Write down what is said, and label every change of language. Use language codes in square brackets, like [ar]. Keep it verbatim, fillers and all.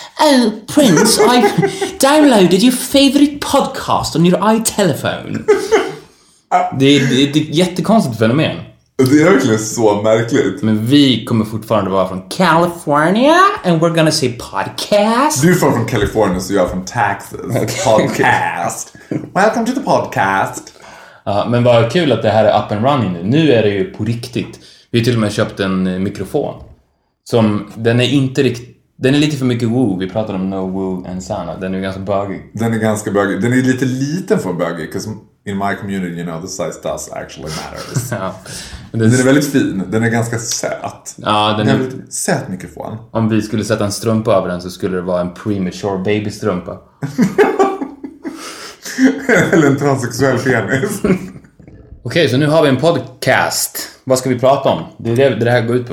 [en] Oh, Prince, I've downloaded your favorite podcast on your iTelephone. [sv] Det är, det är ett jättekonstigt fenomen. Det är verkligen så märkligt. Men vi kommer fortfarande vara från California [en] and we're gonna say podcast. [sv] Du är från California så jag är från Texas. [en] Podcast. Welcome to the podcast. [sv] Ja, men vad kul att det här är [en] up and running [sv] nu. Nu är det ju på riktigt. Vi har till och med köpt en mikrofon som, den är inte riktigt, den är lite för mycket woo. Vi pratade om no woo and sana. Den är ganska bögig. Den är ganska bögig. Den är lite liten för bögig. [en] In my community, you know, the size does actually matters. [sv] Ja. Den är väldigt fin. Den är ganska söt. Ja, den är... Söt mikrofon. Om vi skulle sätta en strumpa över den så skulle det vara en premature babystrumpa. Eller en transsexuell penis. Okej, okay, så nu har vi en podcast. Vad ska vi prata om? Det är det det här går ut på.